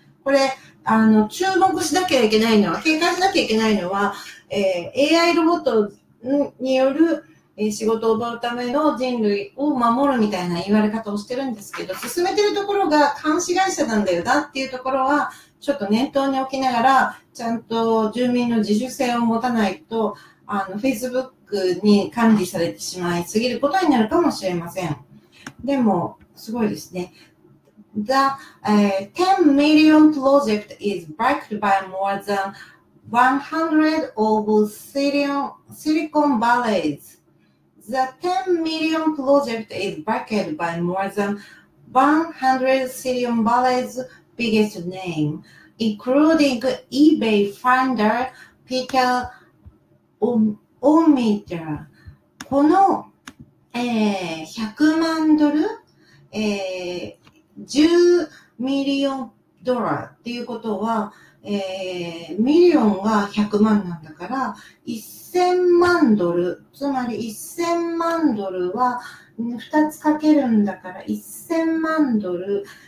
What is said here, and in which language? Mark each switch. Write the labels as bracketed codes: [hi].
[ja] これ、注目しなきゃいけないのは、警戒しなきゃいけないのは、AI ロボットによる、仕事を奪うための人類を守るみたいな言われ方をしてるんですけど、進めてるところが監視会社なんだよなっていうところは、ちょっと念頭に置きながら、ちゃんと住民の自主性を持たないと、Facebook に管理されてしまいすぎることになるかもしれません。でも、すごいですね。 [en] The、10 million project is backed by more than 100 of Silicon Valley's. The 10 million project is backed by more than 100 Silicon Valley's biggest name, including eBay founder Peter Omidyar。 [ja] この、100万ドル、10ミリオンドラっていうことは、ミリオンが100万なんだから、1000万ドル、つまり1000万ドルは2つかけるんだから、1000万ドル、